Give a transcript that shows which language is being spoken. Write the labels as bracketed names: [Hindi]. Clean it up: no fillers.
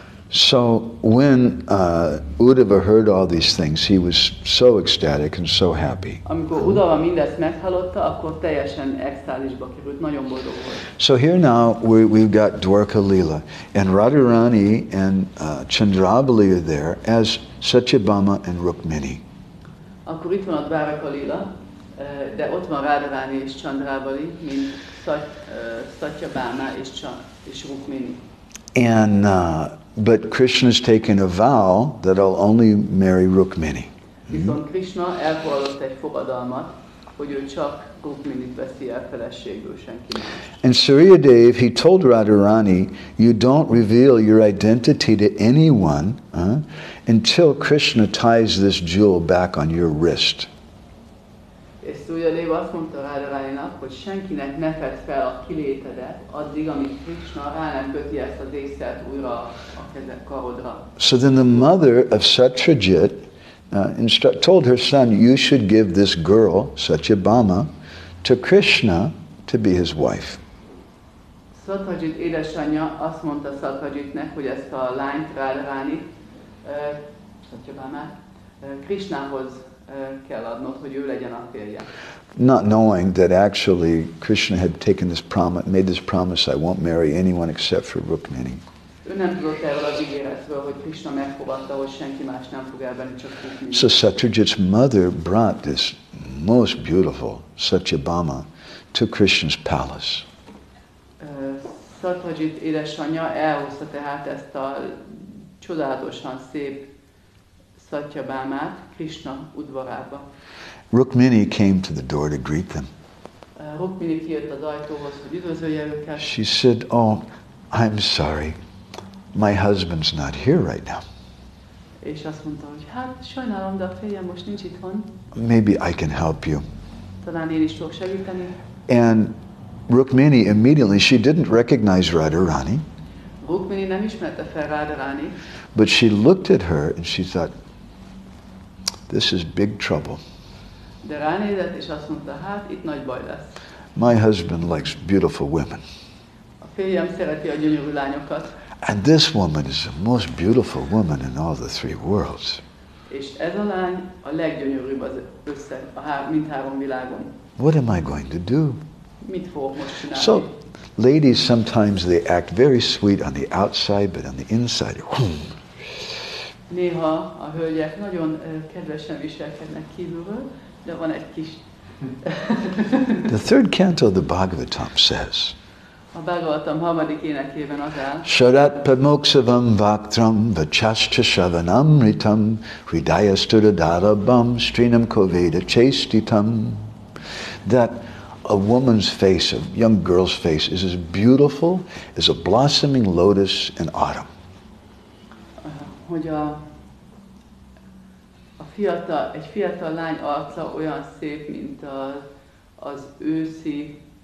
[English] So when Uddhava heard all these things, he was so ecstatic and so happy. [Hungarian] Amikor Uddhava mindezt meghallotta, akkor teljesen extázisba került, nagyon boldog volt. [English] So here now we've got Dwarka Lila, and Radharani and Chandrabali are there as Satyabhama and Rukmini. [Hungarian] Akkor itt van a Dwarka Lila, De ott van Radharani és Chandravali, mint Satyabhama és Rukmini. [English] And but Krishna's taken a vow that I'll only marry Rukmini. [Hungarian] Viszont Krishna elvallott egy fogadalmat, hogy ő csak Rukminit veszi el feleségül, senki más. [English] And Suryadev, he told Radharani, you don't reveal your identity to anyone until Krishna ties this jewel back on your wrist. [Hungarian] És Suryadev azt mondta Radharaninak, hogy senkinek ne fedd fel a kilétedet, addig, amíg Krishna rá nem köti ezt az ésszert újra a kezed karodra. [English] So then the mother of Satyajit told her son, you should give this girl, Satyabhama, to Krishna to be his wife. [Hungarian] Satyajit édesanyja azt mondta Satyajitnek, hogy ezt a lányt Radharani, Satyabhama, Krishnához kell adnod, hogy ő legyen a férje. [English] Not knowing that actually Krishna had taken this promise, made this promise, I won't marry anyone except for Rukmini. [Hungarian] Ő nem tudott erről az ígéretről, hogy Krishna megfogadta, hogy senki más nem fog elvenni, csak Rukmini. [English] So Satyajit's mother brought this most beautiful Satyabhama to Krishna's palace. [Hungarian] Satyajit édesanyja elhozta tehát ezt a csodálatosan szép Satyabhamát Krishna udvarába. [English] Rukmini came to the door to greet them. [Hungarian] Rukmini kijött az ajtóhoz, hogy üdvözölje őket. [English] She said, oh, I'm sorry. My husband's not here right now. [Hungarian] És azt mondta, hogy hát sajnálom, de a férjem most nincs itthon. [English] Maybe I can help you. [Hungarian] Talán én is tudok segíteni. [English] And Rukmini immediately, she didn't recognize Radharani. [Hungarian] Rukmini nem ismerte fel Radharani. [English] But she looked at her and she thought, this is big trouble. [Hungarian] De ránézett, és azt mondta, hát itt nagy baj lesz. [English] My husband likes beautiful women. [Hungarian] A férjem szereti a gyönyörű lányokat. [English] And this woman is the most beautiful woman in all the three worlds. [Hungarian] És ez a lány a leggyönyörűbb az össze, a mindhárom világon. [English] What am I going to do? [Hungarian] Mit fogok most csinálni? [English] So, ladies sometimes they act very sweet on the outside, but on the inside, whoom. [Hungarian] Néha a hölgyek nagyon kedvesen viselkednek kívülről, de van egy kis. [English] The third canto of the Bhagavatam says, [Hungarian] a Bhagavatam harmadik énekében az áll. [Sanskrit] Sharat padmoksavam vaktram vachascha shavanam ritam hridaya sturadarabham strinam koveda chastitam. [English] That a woman's face, a young girl's face, is as beautiful as a blossoming lotus in autumn. [Hungarian] Hogy a fiatal, egy fiatal lány arca olyan szép, mint az őszi